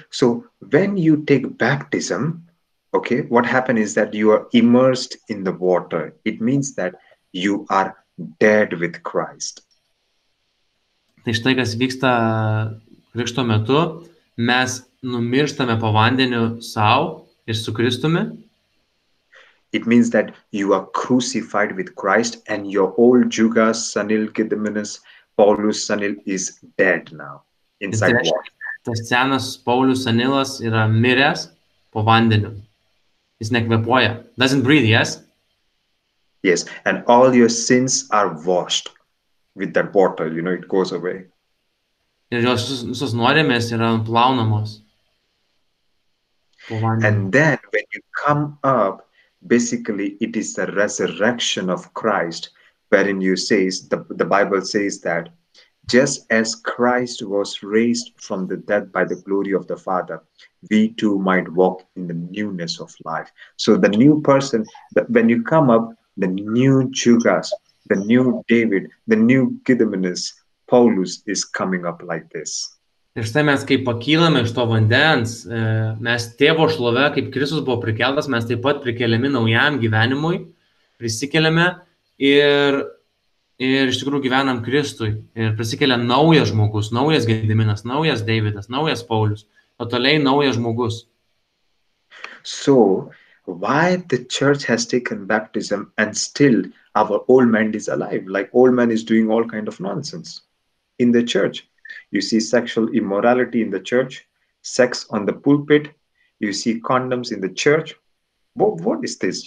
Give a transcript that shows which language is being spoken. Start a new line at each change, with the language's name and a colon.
English: So when you take baptism, okay, what happened is that you are immersed in the water. It means that you are dead with Christ.
Lithuanian: Tai štai, kas vyksta krikšto metu, mes numirštame po vandeniu sau ir su Kristumi.
English: It means that you are crucified with Christ and your old jugas, Sanil Kidiminas, Paulus Sanil is dead now. Inside
Lithuanian: tai, tas senas Paulus Sanilas yra miręs po vandeniu. Jis nekvepuoja.
English: Doesn't breathe, yes? Yes, and all your sins are washed. With that water, you know, it goes away.
Lithuanian: Ir jos nuodėmės yra plaunamos.
English: And then when you come up, basically it is the resurrection of Christ, wherein you says, the Bible says that just as Christ was raised from the dead by the glory of the Father, we too might walk in the newness of life. So the new person, when you come up, the new Jugas, the new David, the new Gediminas, Paulus is coming up like this.
Lithuanian: Ir štai mes, kaip pakylame iš to vandens, mes tėvo šlove, kaip Kristus buvo prikeltas, mes taip pat prikeliami naujam gyvenimui, prisikeliame ir iš tikrųjų gyvenam Kristui. Ir prisikelia naujas žmogus, naujas Gediminas, naujas Davidas, naujas Paulius, o toliai naujas žmogus.
English: So, why the church has taken baptism and still our old man is alive, like old man is doing all kind of nonsense in the church. You see sexual immorality in the church, sex on the pulpit, you see condoms in the church. What is this?